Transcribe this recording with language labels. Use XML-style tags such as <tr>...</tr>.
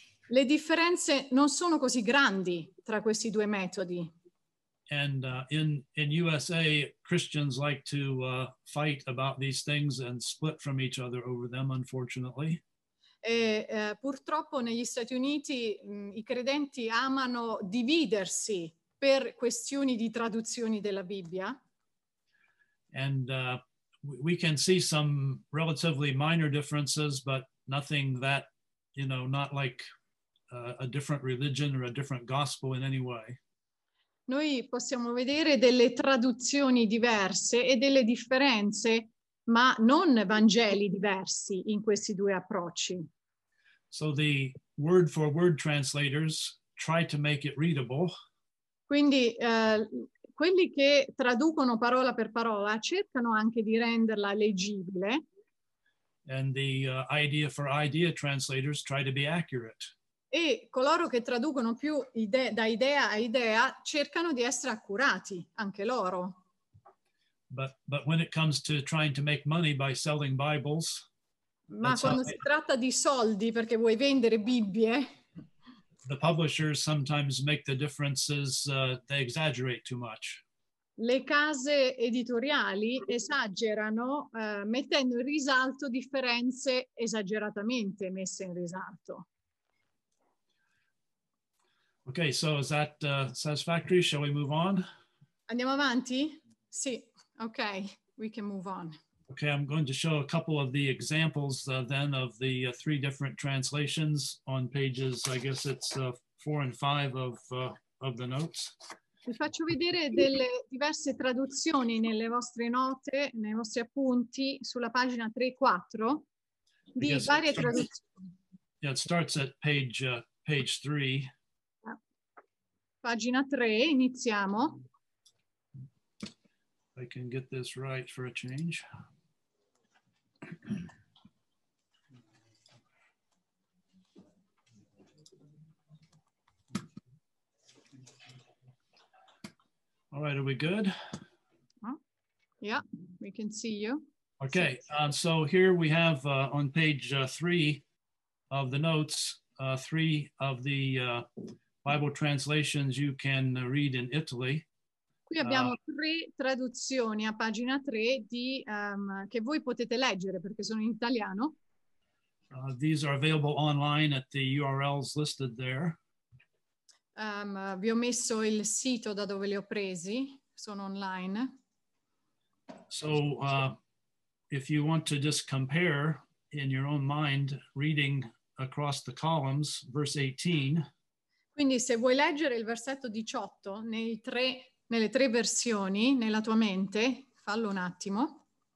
<it>Le differenze non sono così grandi tra questi due metodi.</it> <en>And in USA, Christians like to fight about these things and split from each other over them, unfortunately.</en> <it>Purtroppo negli Stati Uniti i credenti amano dividersi per questioni di traduzioni della Bibbia.</it> <en>And we can see some relatively minor differences, but nothing that, you know, not like a different religion or a different gospel in any way.</en> <it>Noi possiamo vedere delle traduzioni diverse e delle differenze, ma non Vangeli diversi in questi due approcci.</it> <en>So the word for word translators try to make it readable.</en> <it>Quindi quelli che traducono parola per parola cercano anche di renderla leggibile.</it> <en>And the idea for idea translators try to be accurate.</en> <it>E coloro che traducono più da idea a idea cercano di essere accurati anche loro.</it> <en>But when it comes to trying to make money by selling Bibles,</en> <it>ma quando si tratta di soldi perché vuoi vendere Bibbie,</it> <en>the publishers sometimes make the differences, they exaggerate too much.</en> <it>Le case editoriali esagerano mettendo in risalto differenze esageratamente messe in risalto.</it> <en>Okay, so is that satisfactory? Shall we move on?</en> <it>Andiamo avanti? Sì,</it> <en>okay, we can move on. Okay, I'm going to show a couple of the examples then of the three different translations on pages, I guess it's 4 and 5 of the notes.</en> <it>Vi faccio vedere delle diverse traduzioni nelle vostre note, nei vostri appunti, sulla pagina 3 e 4 di varie traduzioni.</it> <en>Yeah, it starts at page 3.</en> <it>Pagina 3, iniziamo.</it> <en>I can get this right for a change. All right, are we good? Yeah, we can see you. Okay, so here we have on page 3 of the notes, 3 of the Bible translations you can read in Italy.</en> <it>Qui abbiamo 3 traduzioni a pagina 3 di che voi potete leggere perché sono in italiano.</it> <en>These are available online at the URLs listed there.</en> <it>Vi ho messo il sito da dove li ho presi, sono online.</it> <en>So if you want to just compare in your own mind reading across the columns verse 18.</en> <it>Quindi se vuoi leggere il versetto 18 nelle tre versioni nella tua mente, fallo un attimo.</it>